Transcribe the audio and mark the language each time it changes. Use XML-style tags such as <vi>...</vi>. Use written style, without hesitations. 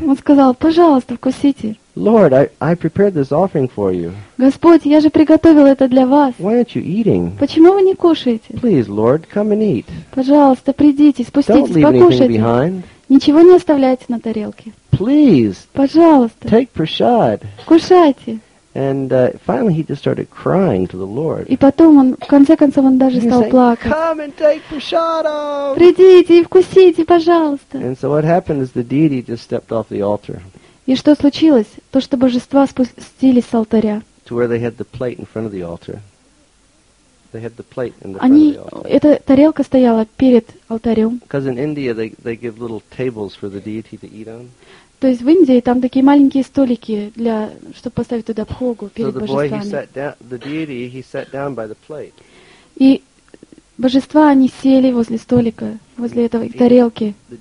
<ru>Он сказал: "Пожалуйста, вкусите."</ru> <en>"Lord, I prepared this offering for you."</en> <ru>Господь, я же приготовил это для вас.</ru> <en>"Why aren't you eating?"</en> <ru>Почему вы не кушаете?</ru> <en>"Please, Lord, come and eat."</en> <ru>Пожалуйста, придите, спуститесь, покушайте.</ru> <en>"Don't leave anything behind."</en> <ru>Ничего не оставляйте на тарелке.</ru> <en>"Please."</en> <ru>Пожалуйста.</ru> <en>"Take prashad."</en> <ru>Кушайте.</ru> <en>And finally, he just started crying to the Lord.</en> <ru>И потом он, в конце концов, он даже стал плакать.</ru> <en>"Come and take prashadam."</en> <ru>Придите и вкусите, пожалуйста.</ru> <en>And so what happened is the deity just stepped off the altar.</en> <ru>И что случилось? То, что божества спустились с алтаря.</ru> <en>To where they had the plate in front of the altar. They had the plate in the</en> <ru>Они,</ru> <en>front of the altar.</en> <ru>Эта тарелка стояла перед алтарем.</ru> <en>Because in India they give little tables for the deity to eat on.</en> <ru>То есть в Индии там такие маленькие столики, для, чтобы поставить туда бхогу перед божествами. И божества, они сели возле столика, возле этого тарелки.</ru>